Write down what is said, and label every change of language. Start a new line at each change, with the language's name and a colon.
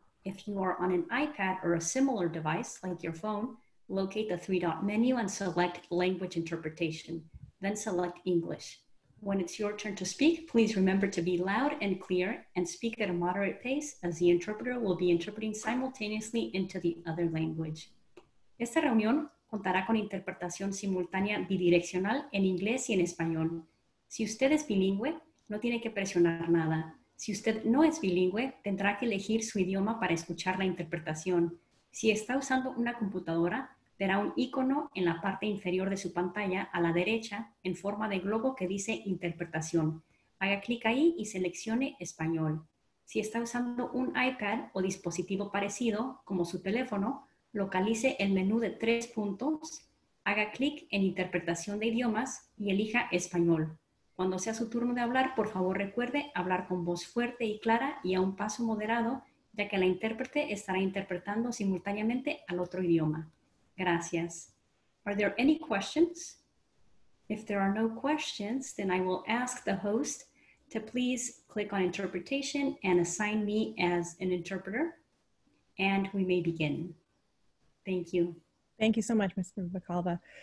English: If you are on an iPad or a similar device, like your phone, locate the three-dot menu and select Language Interpretation, then select English. When it's your turn to speak, please remember to be loud and clear and speak at a moderate pace, as the interpreter will be interpreting simultaneously into the other language.
Spanish: Esta reunión contará con interpretación simultánea bidireccional en inglés y en español. Si usted es bilingüe, no tiene que presionar nada. Si usted no es bilingüe, tendrá que elegir su idioma para escuchar la interpretación. Si está usando una computadora, verá un icono en la parte inferior de su pantalla a la derecha en forma de globo que dice Interpretación. Haga clic ahí y seleccione Español. Si está usando un iPad o dispositivo parecido, como su teléfono, localice el menú de tres puntos, haga clic en Interpretación de idiomas y elija Español. Cuando sea su turno de hablar, por favor recuerde hablar con voz fuerte y clara y a un paso moderado, ya que la intérprete estará interpretando simultáneamente al otro idioma. Gracias.
English: Are there any questions? If there are no questions, then I will ask the host to please click on interpretation and assign me as an interpreter. And we may begin. Thank you. Thank you so much, Ms. Rubalcava.